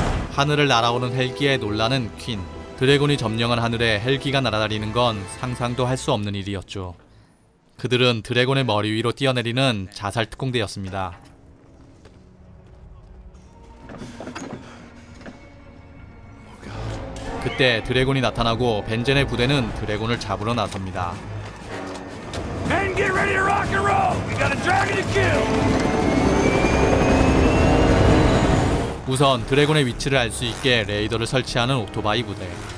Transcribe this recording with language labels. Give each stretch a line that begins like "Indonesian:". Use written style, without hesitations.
Korean: 하늘을 날아오는 헬기에 놀라는 퀸. 드래곤이 점령한 하늘에 헬기가 날아다니는 건 상상도 할 수 없는 일이었죠. 그들은 드래곤의 머리 위로 뛰어내리는 자살 특공대였습니다. 그때 드래곤이 나타나고 벤젠의 부대는 드래곤을 잡으러 나섭니다.
English: Men, get ready to rock and roll! We got a dragon to kill!
Korean: 우선 드래곤의 위치를 알 수 있게 레이더를 설치하는 오토바이 부대.